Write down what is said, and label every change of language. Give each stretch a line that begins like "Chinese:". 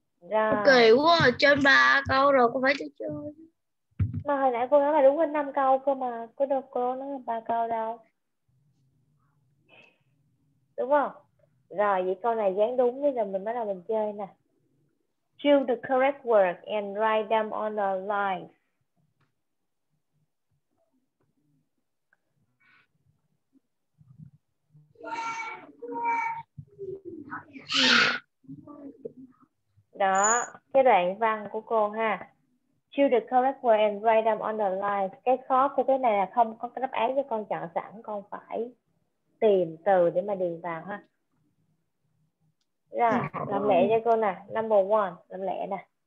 Vietnamese: Rồi. Kỳ quá, trên 3 câu rồi con phải chơi. Mà hồi nãy cô nói là đúng hơn 5 câu cơ mà. Có đâu cô nói 3 câu đâu. Đúng không? Rồi, vậy câu này dán đúng bây giờ mình bắt đầu mình chơi nè.
English: Choose the correct word and write them on the line.
Vietnamese: Đó, cái đoạn văn của cô ha.
English: Choose the correct word and write them on the line.
Vietnamese: Cái khó của cái này là không có cái đáp án cho con chọn sẵn, con phải tìm từ để mà điền vào ha. Rồi, làm lẹ cho cô nè.
English: Number one,
Vietnamese: làm lẹ nè.